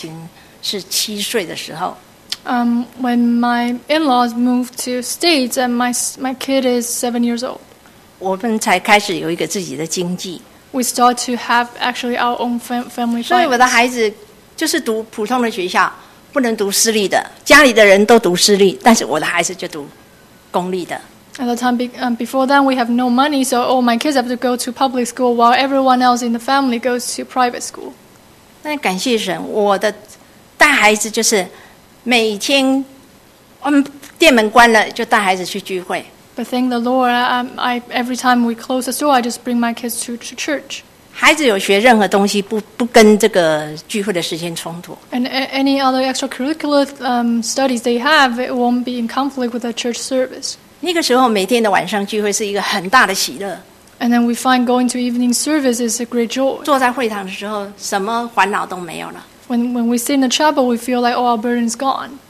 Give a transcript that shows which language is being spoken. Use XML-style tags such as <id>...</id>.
<zh>然后最后呢，一直到我公公他们全部去美国了，是我的小孩已经是7岁的时候。</zh> <en>When my in-laws moved to States, and my kid is 7 years old.</en> <zh>我们才开始有一个自己的经济。We</zh> <en>start to have actually our own family.</en> <zh>所以我的孩子就是读普通的学校，不能读私立的。家里的人都读私立，但是我的孩子就读公立的。At</zh> <en>the time, before then, we have no money, so all my kids have to go to public school, while everyone else in the family goes to private school.</en> <zh>那感谢神，我的带孩子就是。 每天，店门关了就带孩子去聚会。</zh> <en>But thank the Lord, I every time we close the store, I just bring my kids to church.</en> <zh>孩子有学任何东西不跟这个聚会的时间冲突。</zh> <en>And any other extracurricular studies they have, it won't be in conflict with the church service.</en> <zh>那个时候每天的晚上聚会是一个很大的喜乐。</zh> <en>And then we find going to evening service is a great joy.</en> <zh>坐在会堂的时候，什么烦恼都没有了。</zh> <en>When we sit in the chapel, we feel like all our burden is gone.</en>